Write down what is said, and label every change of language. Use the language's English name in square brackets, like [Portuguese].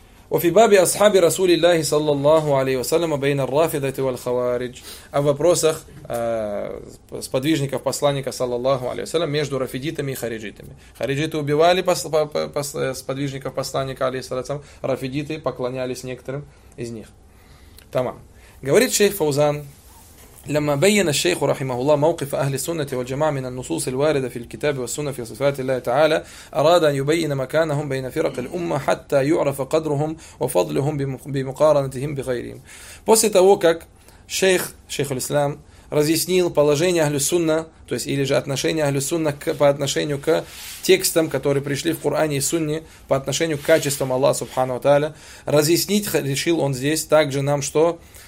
[Arabic] وفي باب أصحاب رسول الله صلى الله عليه وسلم بين الرافضة والخوارج [Russian] а в вопросах сподвижников посланника саллаллаху алейхи ва саллям между рафидитами и хариджитами. Хариджиты убивали сподвижников посланника алейхи ва саллям, рафидиты поклонялись некоторым из них. Тамам. Говорит шейх Фаузан: [Arabic] لما بين الشيخ رحمه الله موقف أهل السنة والجماعة من النصوص الواردة في الكتاب والسنة في صفات الله تعالى أراد أن يبين مكانهم بين فرق الأمة حتى يعرف قدرهم وفضلهم بمقارنتهم بغيرهم. [Russian] После того, как шейх الإسلام разъяснил положение أهل السنة, то есть или же отношение أهل السنة по отношению к текстам, которые пришли в Коране и Сунне, по отношению к качествам Аллаха Субхана ва Тааля, разъяснить решил он здесь также нам, что